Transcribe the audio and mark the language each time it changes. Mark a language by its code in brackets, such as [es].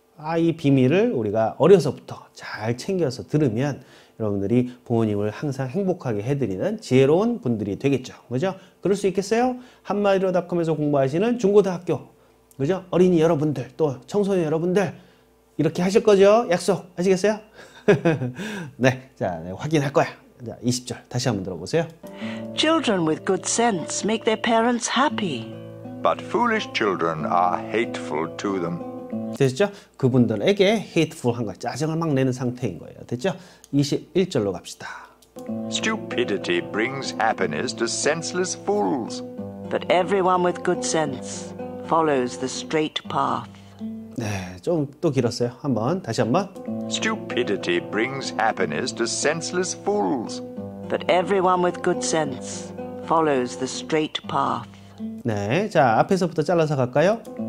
[ko] 아, 이 비밀을 우리가 어려서부터 잘 챙겨서 들으면 여러분들이 부모님을 항상 행복하게 해드리는 지혜로운 분들이 되겠죠. 그죠? 그럴 수 있겠어요? 한마디로.com에서 공부하시는 중고등학교, 그죠? 어린이 여러분들, 또 청소년 여러분들, 이렇게 하실 거죠? 약속하시겠어요? 네, 자, 네, 확인할 거야. 자, 20절 다시 한번 들어보세요. [en] Children with good sense make their parents happy. But foolish children are hateful to them. [ko] 됐죠? 그분들에게 hateful한 거, 짜증을 막 내는 상태인 거예요. 됐죠? 21절로 갑시다. [en] Stupidity brings happiness to senseless fools. But everyone with good sense follows the straight path. [ko] 네, 좀 또 길었어요. 한번 다시 한번. [en] Stupidity brings happiness to senseless fools. But everyone with good sense follows the straight path. [ko] 네, 자 앞에서부터 잘라서 갈까요?